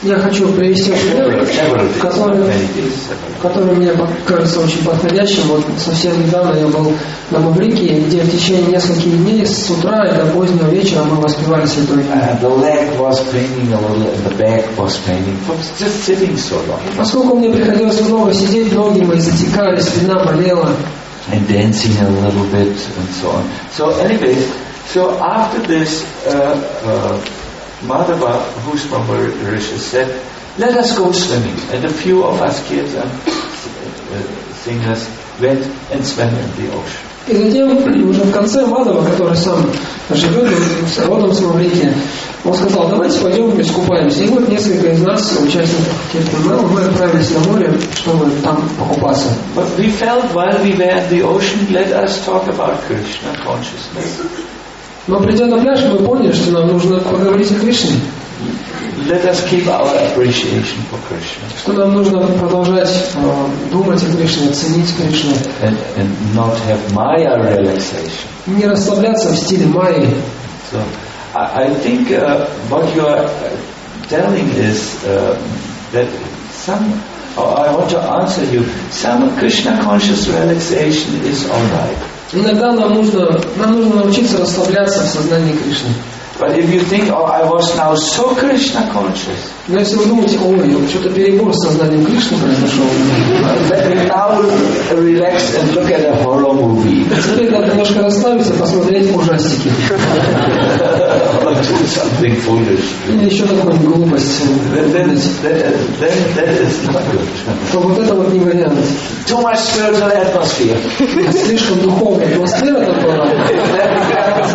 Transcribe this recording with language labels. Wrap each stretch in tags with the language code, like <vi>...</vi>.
<ru>Я хочу привести пример, который мне кажется очень подходящим. Вот совсем недавно я был на Маврике, где в течение нескольких дней с утра и до позднего вечера мы воспевали святой имя.</ru> <en>The leg was painting a little, and the back was painting from just sitting so long.</en> <ru>Поскольку мне приходилось много сидеть, ноги мои затекали, спина болела.</ru> <en>And dancing a little bit and so on. So anyway, so after this. Madhava, who's from Mauritius, said, "Let us go swimming." And a few of us kids and singers went and swam in the ocean.</en> <ru>И затем уже в конце Мадава, который сам живет родом с Маврикии, он сказал: "Давайте пойдем искупаемся." И вот несколько из нас участников Кирпурнала мы отправились на море, чтобы там покупаться.</ru> <en>But we felt while we were in the ocean, let us talk about Krishna consciousness.</en> <ru>Но придя на пляж, мы поняли, что нам нужно поговорить о Кришне.</ru> <en>Let us keep our appreciation for Krishna.</en> <ru>Что нам нужно продолжать думать о Кришне, ценить Кришну.</ru> <en>And not have Maya relaxation.</en> <ru>Не расслабляться в стиле Майи.</ru> <en>So, I think what you are telling is that some, I want to answer you, some Krishna conscious relaxation is all right.</en> <ru>Иногда нам нужно научиться расслабляться в сознании Кришны.</ru> <en>But if you think, oh, I was now so Krishna conscious.</en> <ru>Но если вы думаете, ой, что-то перебор с сознанием Кришны произошел.</ru> <en>Let me now relax and look at a horror movie.</en> <ru>Теперь надо немножко расслабиться, посмотреть ужастики.</ru> <en>Something foolish.</en> <ru>Или еще какую-нибудь глупость.</ru> <en>That is not good.</en> <ru>То вот это вот не вариант.</ru> <en>Too much spiritual atmosphere.</en> <ru>Слишком духовная атмосфера там была.</ru>